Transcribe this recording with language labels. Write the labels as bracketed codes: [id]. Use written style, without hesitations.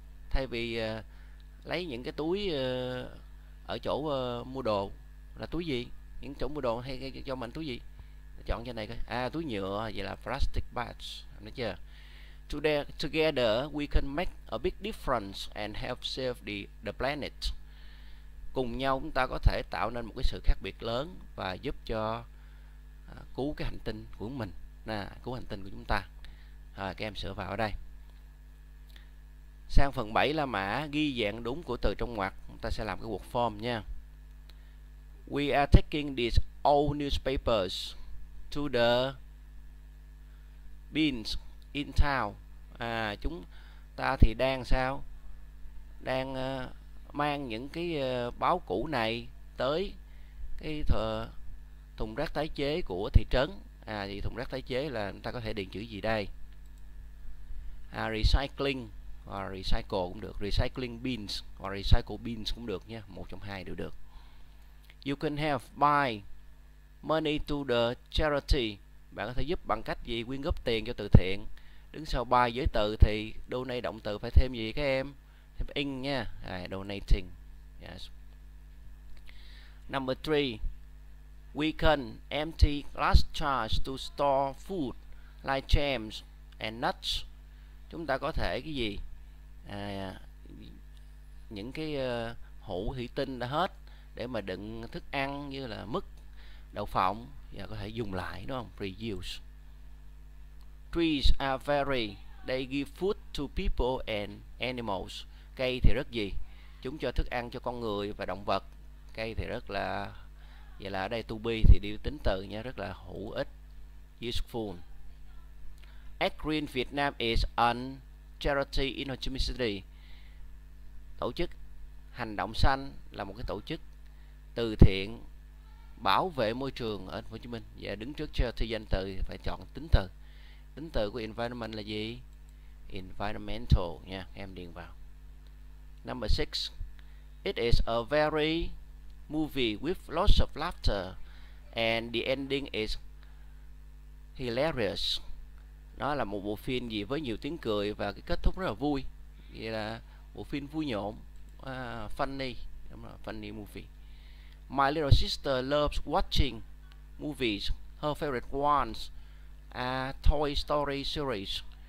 [vi] Thay vì lấy những cái túi ở chỗ mua đồ. Là túi gì? Những chỗ mua đồ hay cho mình túi gì? Chọn cho này coi. À, túi nhựa, vậy là plastic bags. Được chưa? [en] Together, we can make a big difference and help save the planet. [vi] Cùng nhau chúng ta có thể tạo nên một cái sự khác biệt lớn và giúp cho cứu cái hành tinh của mình, nè, cứu hành tinh của chúng ta. Rồi, các em sửa vào ở đây. Sang phần 7 là mã ghi dạng đúng của từ trong ngoặc. Chúng ta sẽ làm cái word form nha. [en] We are taking these old newspapers to the bins in town. [vi] À, chúng ta thì đang sao? Đang mang những cái báo cũ này tới cái thùng rác tái chế của thị trấn. À, thì thùng rác tái chế là chúng ta có thể điền chữ gì đây? À, recycling hoặc recycle cũng được, recycling bins hoặc recycle bins cũng được nha, một trong hai đều được. [en] You can help by money to the charity. [vi] Bạn có thể giúp bằng cách gì? Quyên góp tiền cho từ thiện. Đứng sau buy giới từ thì donate động từ phải thêm gì các em? Thêm in nha. À, donating. [en] Yes. Number 3. We can empty glass jars to store food like jams and nuts. [vi] Chúng ta có thể cái gì? À, những cái hũ thủy tinh đã hết để mà đựng thức ăn như là mứt, đậu phộng và có thể dùng lại đúng không? [en] Reuse. Trees are very, they give food to people and animals. [vi] Cây thì rất gì? Chúng cho thức ăn cho con người và động vật. Cây thì rất là, vậy là ở đây to be thì đi tính từ nha, rất là hữu ích. Useful. [en] Ad Green Việt Nam is an charity initiative. [vi] Tổ chức Hành Động Xanh là một cái tổ chức từ thiện bảo vệ môi trường ở Thành phố Hồ Chí Minh. Và đứng trước charity danh từ phải chọn tính từ. Tính từ của environment là gì? Environmental nha, em điền vào. [en] Number 6. It is a very movie with lots of laughter and the ending is hilarious. [vi] Nó là một bộ phim gì với nhiều tiếng cười và cái kết thúc rất là vui. Vậy là bộ phim vui nhộn, funny, đúng rồi, [en] funny movie. My little sister loves watching movies. Her favorite ones A Toy Story Series.